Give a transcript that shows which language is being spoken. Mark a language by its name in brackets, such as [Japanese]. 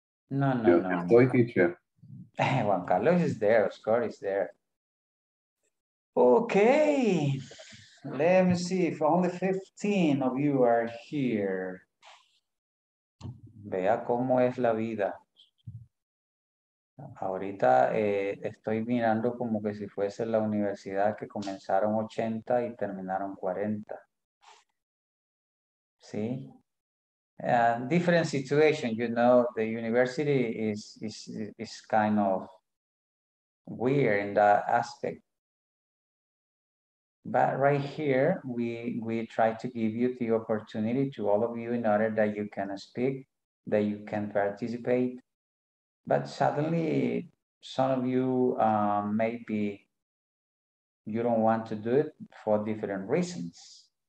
[English] No, no, no. [Spanish] Estoy, teacher. [English] Juan Carlos is there, Oscar is there. Okay, let me see if only 15 of you are here. [Spanish] Vea cómo es la vida. Ahorita estoy mirando como que si fuese la universidad que comenzaron 80 y terminaron 40. ¿Sí? [English] Different situation, you know, the university is kind of weird in that aspect. But right here, we try to give you the opportunity to all of you in order that you can speak, that you can participate, but suddenly some of you maybe you don't want to do it for different reasons.